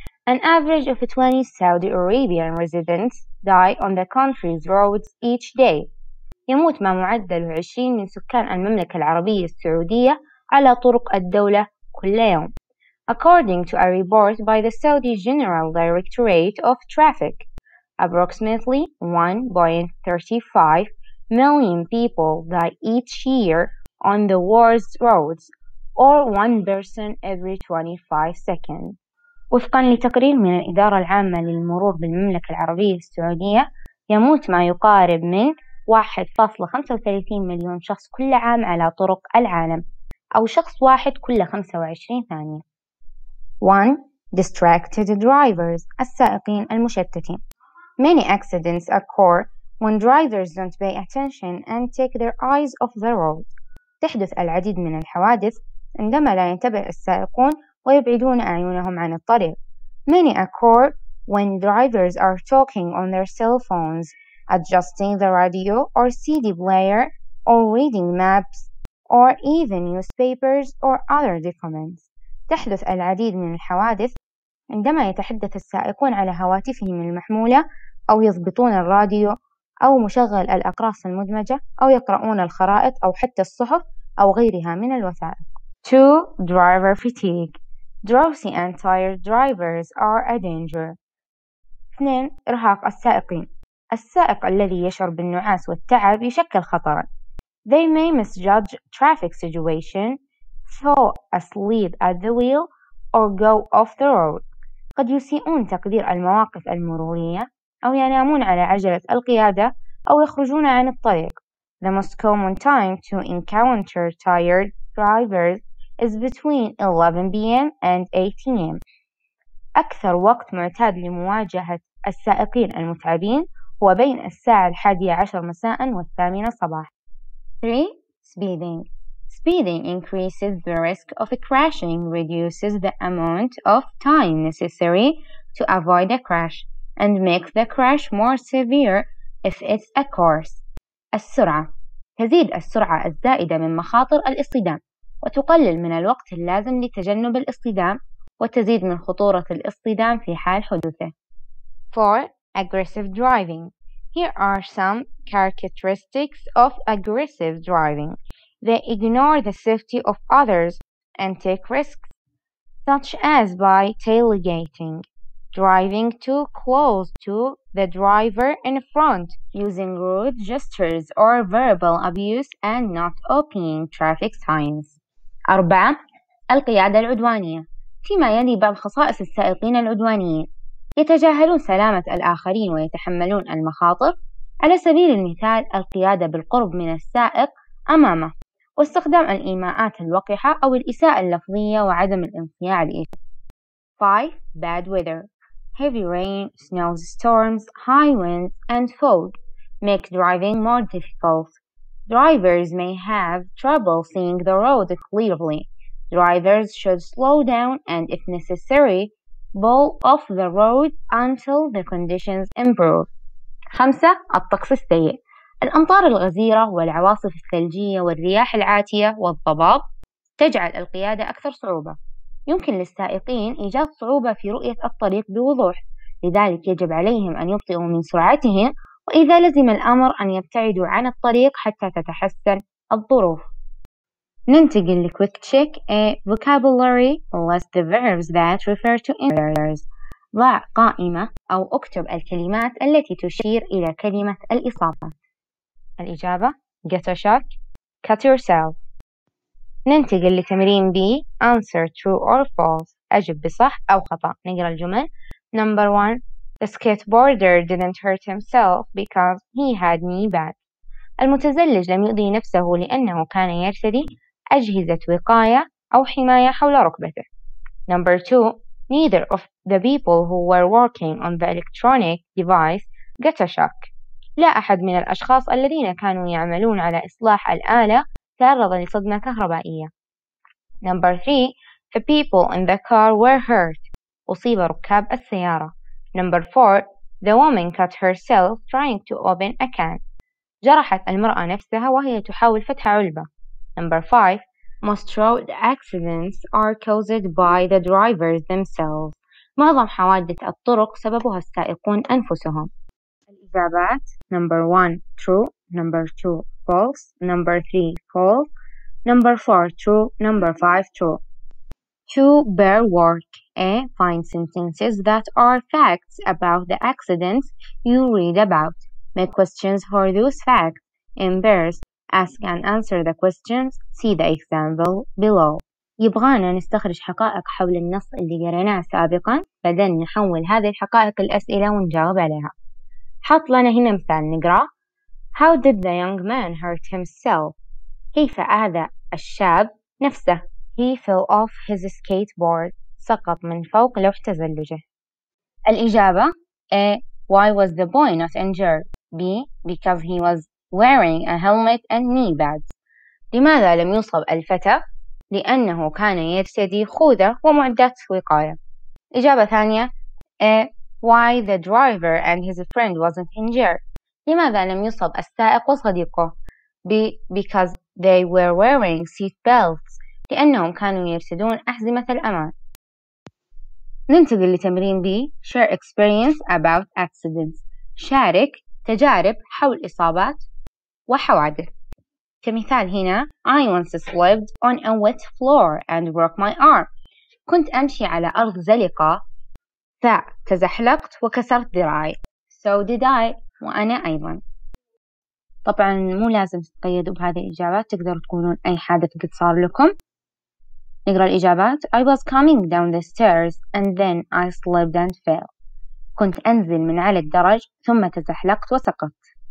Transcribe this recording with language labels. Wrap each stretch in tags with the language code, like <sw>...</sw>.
<en>An average of 20 Saudi Arabian residents die on the country's roads each day.</en> <ar>يموت ما معدل 20 من سكان المملكة العربية السعودية على طرق الدولة كل يوم.</ar> <en>According to a report by the Saudi General Directorate of Traffic, approximately 1.35 million people die each year on the world's roads, or one person every 25 seconds.</en> <ar>وفقا لتقرير من الإدارة العامة للمرور بالمملكة العربية السعودية، يموت ما يقارب من 1.35 مليون شخص كل عام على طرق العالم، أو شخص واحد كل 25 ثانية. 1.</ar> <en>Distracted drivers،</en> <ar>السائقين المشتتين.</ar> <en>Many accidents occur when drivers don't pay attention and take their eyes off the road.</en> <ar>تحدث العديد من الحوادث عندما لا ينتبه السائقون ويبعدون أعينهم عن الطريق.</ar> <en>Many occur when drivers are talking on their cell phones, adjusting the radio or CD player, or reading maps, or even newspapers or other documents.</en> <ar>تحدث العديد من الحوادث عندما يتحدث السائقون على هواتفهم المحمولة أو يضبطون الراديو أو مشغل الأقراص المدمجة أو يقرؤون الخرائط أو حتى الصحف أو غيرها من الوثائق. 2.</ar> <en>Driver fatigue. Drowsy and tired drivers are a danger.</en> <ar>2. إرهاق السائقين. السائق الذي يشعر بالنعاس والتعب يشكل خطرا.</ar> <en>They may misjudge traffic situation, fall asleep at the wheel, or go off the road.</en> <ar>قد يسيئون تقدير المواقف المرورية أو ينامون على عجلة القيادة أو يخرجون عن الطريق.</ar> <en>The most common time to encounter tired drivers is between 11 p.m. and 8 a.m.</en> <ar>أكثر وقت معتاد لمواجهة السائقين المتعبين هو بين الساعة 11 مساء والثامنة صباح.</ar> <en>3. Speeding. Speeding increases the risk of a crashing, reduces the amount of time necessary to avoid a crash, and makes the crash more severe if it's a course.</en> <ar>السرعة. تزيد السرعة الزائدة من مخاطر الاصطدام وتقلل من الوقت اللازم لتجنب الاصطدام وتزيد من خطورة الاصطدام في حال حدوثه.</ar> <en>4. Aggressive driving. Here are some characteristics of aggressive driving. They ignore the safety of others and take risks, such as by tailgating, driving too close to the driver in front, using rude gestures or verbal abuse, and not obeying traffic signs.</en> <ar>4. القيادة العدوانية. فيما يلي بعض خصائص السائقين العدوانيين: يتجاهلون سلامة الآخرين ويتحملون المخاطر. على سبيل المثال، القيادة بالقرب من السائق أمامه، واستخدام الإيماءات الوقحة أو الإساءة اللفظية وعدم الانصياع لإشارة.</ar> <en>5. Bad weather. Heavy rain, snow storms, high winds and fog make driving more difficult. Drivers may have trouble seeing the road clearly. Drivers should slow down and, if necessary, pull off the road until the conditions improve.</en> <ar>5. الطقس السيء. الأمطار الغزيرة والعواصف الثلجية والرياح العاتية والضباب تجعل القيادة أكثر صعوبة. يمكن للسائقين إيجاد صعوبة في رؤية الطريق بوضوح، لذلك يجب عليهم أن يبطئوا من سرعتهم، وإذا لزم الأمر أن يبتعدوا عن الطريق حتى تتحسن الظروف. ننتقل لكويك تشيك</ar> <en>A vocabulary list the verbs that refer to errors.</en> <ar>ضع قائمة أو اكتب الكلمات التي تشير إلى كلمة الإصابة. الإجابة</ar> <en>get a shock, cut yourself.</en> <ar>ننتقل لتمرين</ar> <en>B answer true or false.</en> <ar>أجب بصح أو خطأ. نقرأ الجمل.</ar> <en>Number one, the skateboarder didn't hurt himself because he had knee pads.</en> <ar>المتزلج لم يؤذي نفسه لأنه كان يرتدي أجهزة وقاية أو حماية حول ركبته.</ar> <en>Number two, neither of the people who were working on the electronic device got a shock.</en> <ar>لا أحد من الأشخاص الذين كانوا يعملون على إصلاح الآلة تعرض لصدمة كهربائية.</ar> <en>Number three, the people in the car were hurt.</en> <ar>أصيب ركاب السيارة.</ar> <en>Number four, the woman cut herself trying to open a can.</en> <ar>جرحت المرأة نفسها وهي تحاول فتح علبة.</ar> <en>Number five, most road accidents are caused by the drivers themselves.</en> <ar>معظم حوادث الطرق سببها السائقون أنفسهم. الإجابات</ar> <en>number one, true. Number two, false. Number three, false. Number four, true. Number five, true. Two, bear work. A, find sentences that are facts about the accidents you read about. Make questions for those facts. In bears, ask and answer the questions. See the example below.</en> <ar>يبغانا نستخرج حقائق حول النص اللي قريناه سابقا، بعدين نحول هذه الحقائق الأسئلة ونجاوب عليها. حط لنا هنا مثال نقرأ.</ar> <en>How did the young man hurt himself?</en> <ar>كيف أذى الشاب نفسه؟</ar> <en>He fell off his skateboard.</en> <ar>سقط من فوق لوح تزلجه. الإجابة A.</ar> <en>Why was the boy not injured? B. Because he was wearing a helmet and knee pads.</en> <ar>لماذا لم يصب الفتى؟ لأنه كان يرتدي خوذة ومعدات وقاية. إجابة ثانية A.</ar> <en>Why the driver and his friend wasn't injured?</en> <ar>لماذا لم يصب السائق وصديقه؟ B.</ar> <en>Because they were wearing seat belts.</en> <ar>لأنهم كانوا يرتدون أحزمة الأمان. ننتقل لتمرين B.</ar> <en>Share experience about accidents.</en> <ar>شارك تجارب حول إصابات وحوادث. كمثال هنا</ar> <en>I once slipped on a wet floor and broke my arm.</en> <ar>كنت أمشي على أرض زلقة فتزحلقت وكسرت ذراعي.</ar> <en>So did I.</en> <ar>وأنا أيضا. طبعا مو لازم تتقيدوا بهذه الإجابات، تقدروا تقولون أي حادث قد صار لكم. نقرأ الإجابات.</ar> <en>I was coming down the stairs and then I slipped and fell.</en> <ar>كنت أنزل من على الدرج ثم تزحلقت وسقطت.</ar>